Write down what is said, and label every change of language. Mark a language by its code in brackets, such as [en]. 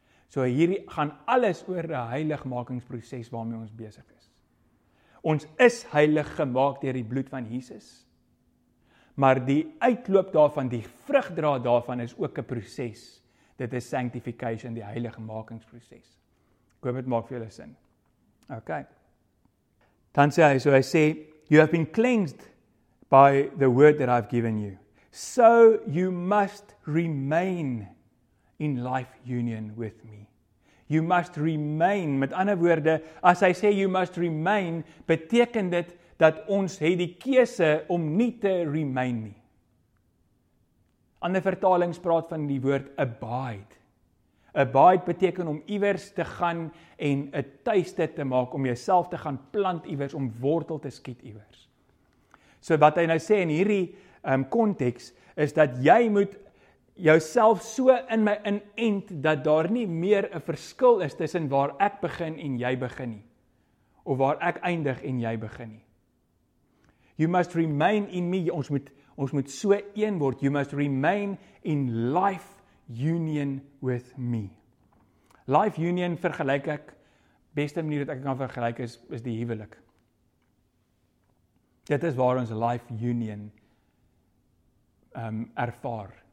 [af] So hierdie gaan alles oor 'n heiligmakingsproses waarmee ons besig is. Ons is heilig gemaak deur die bloed van Jesus. Maar die uitloop daarvan, die vrugdra daarvan is ook 'n proses. Dit is sanctification, die heiligmakingsproses. Ek hoop dit maak vir julle sin. [en] Okay. [af] Dan sê hy, so hy sê, [en] you have been cleansed by the word that I've given you. So you must remain in life union with me. You must remain, [af] met ander woorde, as hy sê [en] you must remain, [af] beteken dit, dat ons het die keuse om nie te remain nie. Ander vertalings praat van die woord abide. Abide beteken om iewers te gaan en 'n tuiste te maak, om jouself te gaan plant iewers, om wortel te skiet iewers. So wat hy nou sê in hierdie konteks, is dat jy moet jouself so in my inent, dat daar nie meer 'n verskil is tussen waar ek begin en jy begin nie. Of waar ek eindig en jy begin nie. [en] You must remain in me. [af] Ons moet so een word. [en] You must remain in life union with me. [af] Life union vergelyk ek, beste manier wat ek kan vergelyk is die huwelik. Dit is waar ons life union ervaar.